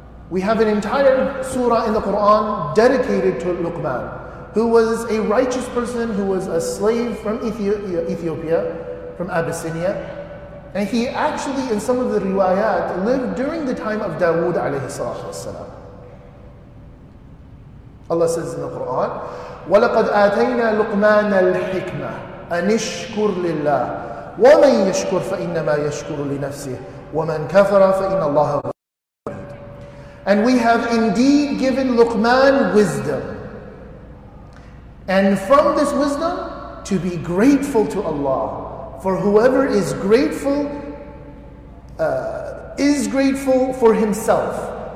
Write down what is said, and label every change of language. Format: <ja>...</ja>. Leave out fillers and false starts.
<en>We have an entire surah in the Quran dedicated to Luqman, who was a righteous person, who was a slave from Ethiopia, from Abyssinia. And he actually, in some of the riwayat, lived during the time of Dawood alayhi salatu wasalam. Allah says in the Quran,</en> <ar>وَلَقَدْ آتَيْنَا لُقْمَانَ الْحِكْمَةِ أَنِشْكُرْ لِلَّهِ وَمَنْ يَشْكُرْ فَإِنَّمَا يَشْكُرُ لِنَفْسِهِ وَمَنْ كَفَرَ فَإِنَّ اللَّهَ غَفُورٌ.</ar> <en>And we have indeed given Luqman wisdom. And from this wisdom, to be grateful to Allah. For whoever is grateful, is grateful for himself.</en>